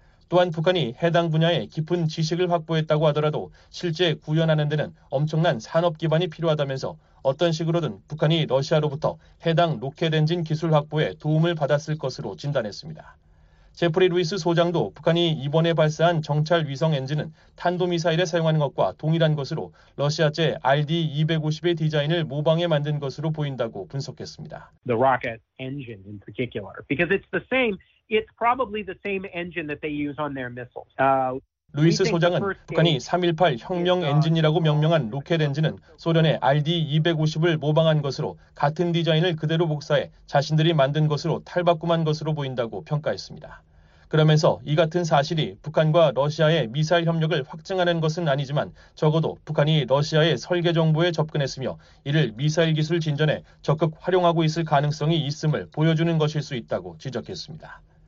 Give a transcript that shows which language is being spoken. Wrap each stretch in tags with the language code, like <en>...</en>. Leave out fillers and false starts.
<ko>또한 북한이 해당 분야에 깊은 지식을 확보했다고 하더라도 실제 구현하는 데는 엄청난 산업 기반이 필요하다면서 어떤 식으로든 북한이 러시아로부터 해당 로켓 엔진 기술 확보에 도움을 받았을 것으로 진단했습니다. 제프리 루이스 소장도 북한이 이번에 발사한 정찰 위성 엔진은 탄도미사일에 사용하는 것과 동일한 것으로 러시아제 RD-250의 디자인을 모방해 만든 것으로 보인다고 분석했습니다.</ko> <en>The rocket engine in particular, because it's the same. It's probably the same engine that they use on their missiles.</en> <ko>루이스 소장은 북한이 3.18 혁명 엔진이라고 명명한 로켓 엔진은 소련의 RD-250을 모방한 것으로 같은 디자인을 그대로 복사해 자신들이 만든 것으로 탈바꿈한 것으로 보인다고 평가했습니다. 그러면서 이 같은 사실이 북한과 러시아의 미사일 협력을 확증하는 것은 아니지만 적어도 북한이 러시아의 설계 정보에 접근했으며 이를 미사일 기술 진전에 적극 활용하고 있을 가능성이 있음을 보여주는 것일 수 있다고 지적했습니다.</ko>